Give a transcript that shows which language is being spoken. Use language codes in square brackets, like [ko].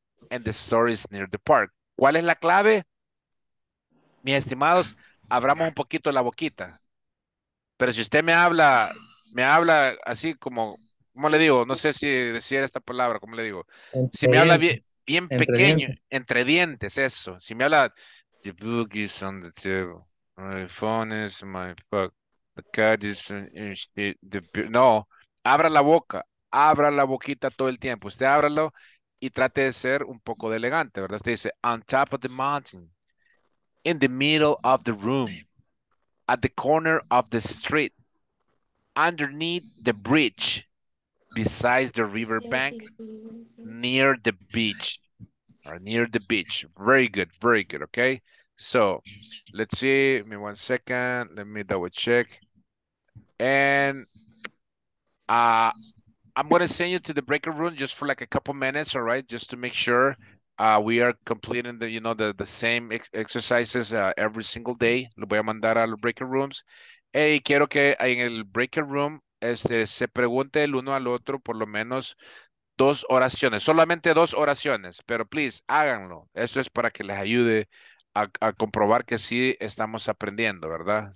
[en] And the store is near the park. [es] ¿Cuál es la clave? Mis estimados, abramos un poquito la boquita. Pero si usted me habla así como, ¿cómo le digo? No sé si decir esta palabra, ¿cómo le digo? Entre, si me habla bien entre pequeño, dientes. Entre dientes, eso. Si me habla, [en] the book is on the table. My phone is my book. The cat is in the... [es] No, abra la boquita todo el tiempo. Usted ábralo y trate de ser un poco de elegante, ¿verdad? Usted dice, [en] on top of the mountain. In the middle of the room, at the corner of the street, underneath the bridge, beside the river bank, near the beach, or near the beach. Very good, okay? So, let's see, give me 1 second, let me double check. And I'm gonna send you to the breakout room just for like a couple minutes, all right? Just to make sure. We are completing the same exercises every single day. [es] Lo voy a mandar a los breakout rooms. Hey, quiero que en el breakout room se pregunte el uno al otro por lo menos dos oraciones. Solamente dos oraciones, pero please, háganlo. Esto es para que les ayude a comprobar que sí estamos aprendiendo, ¿verdad?